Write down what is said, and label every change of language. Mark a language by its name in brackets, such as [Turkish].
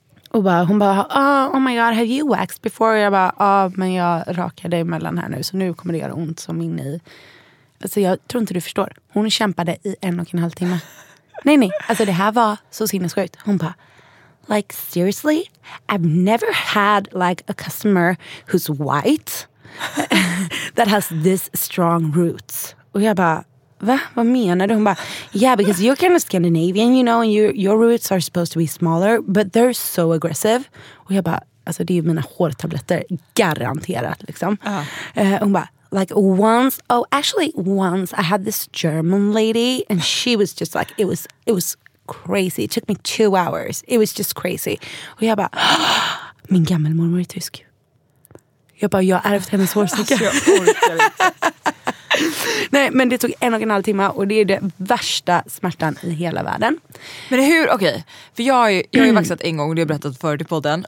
[Swedish] Och bara, hon bara, [English] oh my god, have you waxed before? [Swedish] Och jag bara, men jag rakade emellan här nu. Så nu kommer det göra ont som in i. Alltså jag tror inte du förstår. Hon kämpade i 1,5 timmar. Nej, nej. Alltså det här var så sinnessjukt. Hon bara, [English] like seriously? I've never had like a customer who's white that has this strong roots. [Swedish] Och jag bara, va? Vad menar du? Hon bara, [English] yeah, because you're kind of Scandinavian, you know, and your roots are supposed to be smaller, but they're so aggressive. [Swedish] Och jag bara, alltså det är ju mina hårtabletter, garanterat liksom. Hon bara, [English] like once, once I had this German lady, and she was just like, it was crazy. It took me 2 hours. It was just crazy. [Swedish] Och jag bara, min gammal mormor är tysk. Jag bara, jag ärvt hennes hårsticka. Alltså, nej, men det tog 1,5 timmar och det är det värsta smärtan i hela världen. Men hur, okej, för jag har ju vaxat en gång, det har jag berättat förut i podden.